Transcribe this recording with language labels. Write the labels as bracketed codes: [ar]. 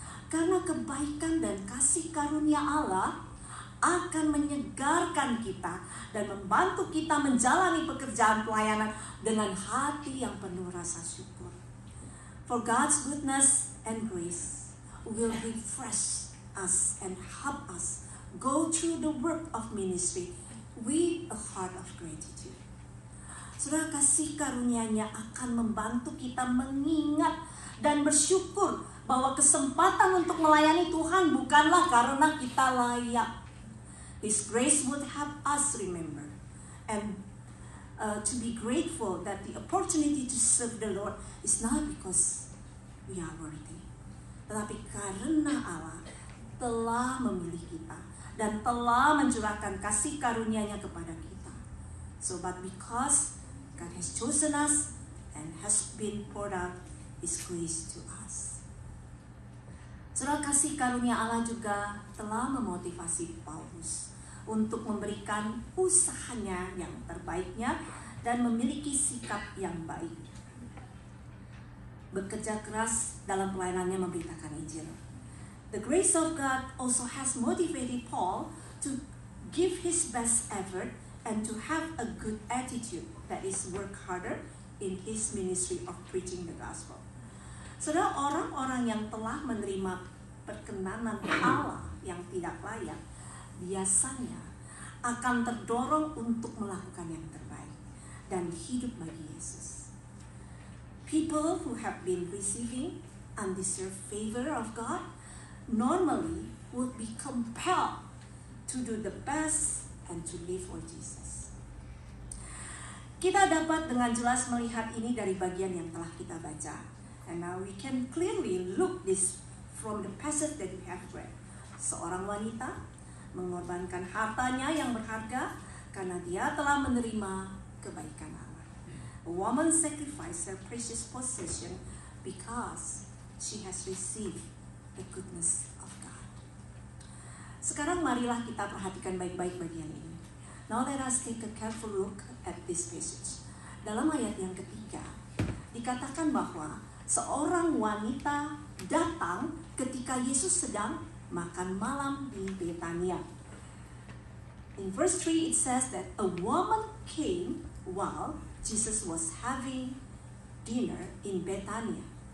[id] Karena kebaikan dan kasih karunia Allah akan menyegarkan kita dan membantu kita menjalani pekerjaan pelayanan dengan hati yang penuh rasa syukur. [en] For God's goodness and grace will refresh us and help us go through the work of ministry with a heart of gratitude. [id] Saudara, kasih karunia-Nya akan membantu kita mengingat dan bersyukur bahwa kesempatan untuk melayani Tuhan bukanlah karena kita layak. [en] His grace would help us remember and to be grateful that the opportunity to serve the Lord is not because we are worthy, [id] tetapi karena Allah telah memilih kita dan telah mencurahkan kasih karunia-Nya kepada kita. [en] So, but because God has chosen us and has been poured out His grace to us. [id] Surah kasih karunia Allah juga telah memotivasi Paulus untuk memberikan usahanya yang terbaiknya dan memiliki sikap yang baik. Bekerja keras dalam pelayanannya memberitakan Injil. [en] The grace of God also has motivated Paul to give his best effort and to have a good attitude, that is work harder in his ministry of preaching the gospel. [id] Saudara, orang-orang yang telah menerima perkenanan Allah yang tidak layak biasanya akan terdorong untuk melakukan yang terbaik dan hidup bagi Yesus. [en] People who have been receiving undeserved favor of God normally would be compelled to do the best and to live for Jesus. [id] Kita dapat dengan jelas melihat ini dari bagian yang telah kita baca. [en] And now we can clearly look this from the passage that we have read. [id] Seorang wanita mengorbankan hartanya yang berharga karena dia telah menerima kebaikan Allah. [en] A woman sacrificed her precious possession because she has received the goodness of God. [id] Sekarang marilah kita perhatikan baik-baik bagian ini. [en] Now let us take a careful look at this passage. [id] Dalam ayat yang ketiga dikatakan bahwa seorang wanita datang ketika Yesus sedang makan malam di Betania. [en] In verse 3 it says that a woman came while Jesus was having dinner in Betania.